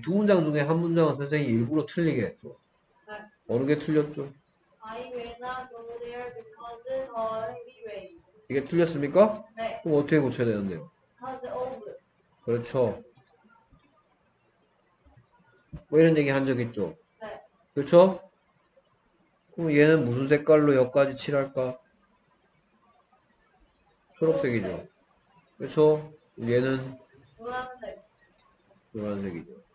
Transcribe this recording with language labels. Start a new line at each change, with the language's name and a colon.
Korean: 두 문장 중에 한 문장은 선생님이 일부러 틀리게 했죠. 어느 게 틀렸죠?
English: I will not go there because of heavy rain.
Korean: 이게 틀렸습니까? 그럼 어떻게 고쳐야 되는데요?
English: Because of.
Korean: 그렇죠. 뭐 이런 얘기 한적 있죠? 그렇죠? 그럼 얘는 무슨 색깔로 역까지 칠할까? 초록색이죠. 그렇죠? 얘는 노란색이죠.